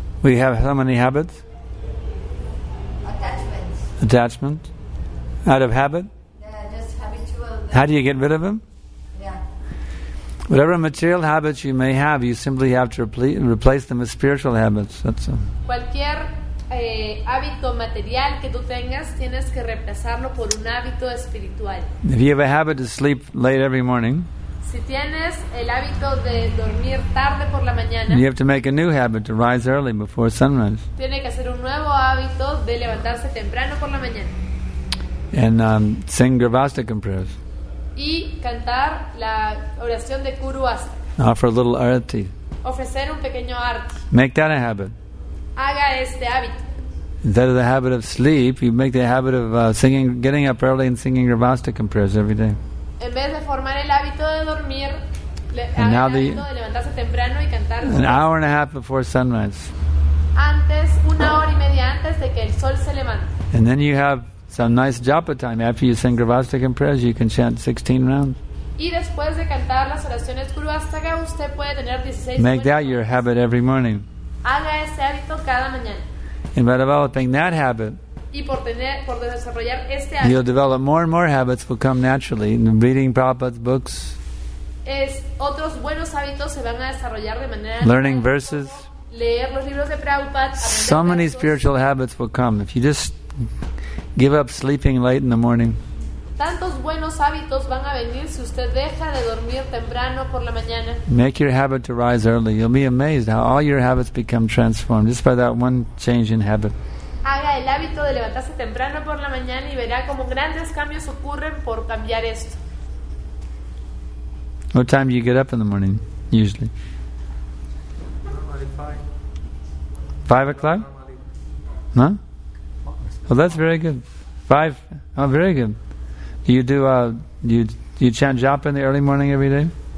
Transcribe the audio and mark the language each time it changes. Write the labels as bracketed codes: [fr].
[en] We have how many habits? Attachments. Attachment? Out of habit? Yeah, just habitual. How do you get rid of them? Yeah. Whatever material habits you may have, you simply have to replace them with spiritual habits. That's all. [es] Cualquier hábito material que tú tengas, tienes que reemplazarlo por un hábito espiritual. [en] If you have a habit to sleep late every morning, [es] si tienes el hábito de dormir tarde por la mañana, [en] you have to make a new habit to rise early before sunrise. [es] Tiene que hacer un nuevo hábito de levantarse temprano por la mañana. [en] And sing Gravastakam prayers. [es] Y cantar la oración de Kuruvastakam. [en] Offer a little arati. [es] Ofrecer un pequeño arati. [en] Make that a habit. [es] Haga este hábito. [en] Instead of the habit of sleep, you make the habit of singing, getting up early and singing Gravastakam prayers every day. [es] En vez de formar el hábito de dormir, de levantarse temprano y cantar. [en] An hour and a half before sunrise. [es] Antes, una hora y media antes de que el sol se levante. [en] And then you have some nice japa time. After you sing Gravastakam prayers, you can chant 16 rounds. [es] Y después de cantar las oraciones Gravastaka, usted puede tener 16. [en] Make that your habit every morning. [es] Haga ese hábito cada mañana. [en] And by developing that habit, [es] y por desarrollar este hábito, [en] you'll develop more and more habits will come naturally. Reading Prabhupada's books, [es] otros buenos hábitos se van a desarrollar de manera. [en] Learning verses, [es] leer los libros de Prabhupada. [en] So many spiritual habits will come if you just give up sleeping late in the morning. [es] Tantos buenos hábitos van a venir si usted deja de dormir temprano por la mañana. [en] Make your habit to rise early. You'll be amazed how all your habits become transformed just by that one change in habit. [es] Haga el hábito de levantarse temprano por la mañana y verá cómo grandes cambios ocurren por cambiar esto. [en] What time do you get up in the morning, usually? 5 o'clock? No? Huh? Well, that's very good. Five? Oh, very good. Do you do, do you chant japa in the early morning every day?